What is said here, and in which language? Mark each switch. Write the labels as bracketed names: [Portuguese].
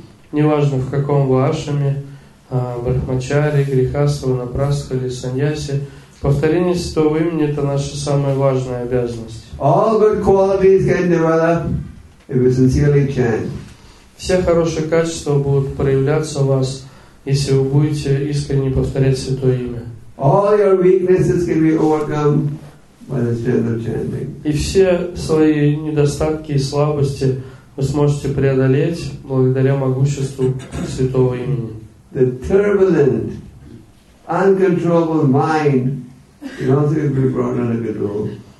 [Russian] Неважно, в каком вы ашраме, брахмачари, грихастха, напрасха или саньяси, повторение святого имени — это наша самая важная обязанность. [English] All good qualities can develop if we sincerely chant. [Russian] Все хорошие качества будут проявляться в вас, если вы будете искренне повторять Святое Имя. [English] All your weaknesses can be overcome by the strength of chanting. [Russian] И все свои недостатки и слабости вы сможете преодолеть благодаря могуществу Святого Имени. [English] The turbulent, uncontrollable mind can also be brought under control.